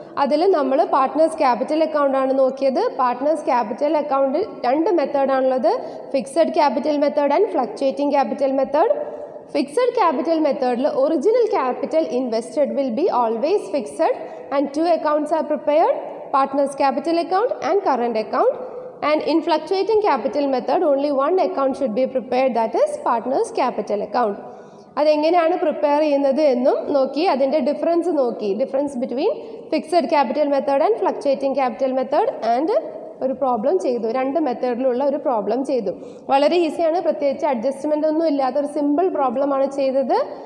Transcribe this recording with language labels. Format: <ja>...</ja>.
<ml>അതിൽ നമ്മൾ partners capital അക്കൗണ്ടാണ് നോക്കിയത്. പാർട്ട്നേഴ്സ് ക്യാപിറ്റൽ അക്കൗണ്ട് രണ്ട് മെത്തേഡാണുള്ളത്, fixed capital method and fluctuating capital method.</ml> <en>Fixed capital മെത്തേഡിൽ original capital invested will be always fixed and 2 accounts are prepared, partners capital account and current account. And in fluctuating capital method, only one account should be prepared, that is partner's capital account.</en> <ml>അത് എങ്ങനെയാണ് prepare ചെയ്യുന്നത് എന്നും നോക്കി, അതിൻ്റെ difference നോക്കി,</ml> <en>difference between fixed capital method and</en> <ml>fluctuating capital method and ഒരു problem ചെയ്തു, രണ്ട് മെത്തേഡിലുള്ള ഒരു പ്രോബ്ലം ചെയ്തു. വളരെ ഈസിയാണ്, പ്രത്യേകിച്ച് അഡ്ജസ്റ്റ്മെൻ്റ് ഒന്നും ഇല്ലാത്ത ഒരു സിമ്പിൾ പ്രോബ്ലമാണ് ചെയ്തത്.</ml>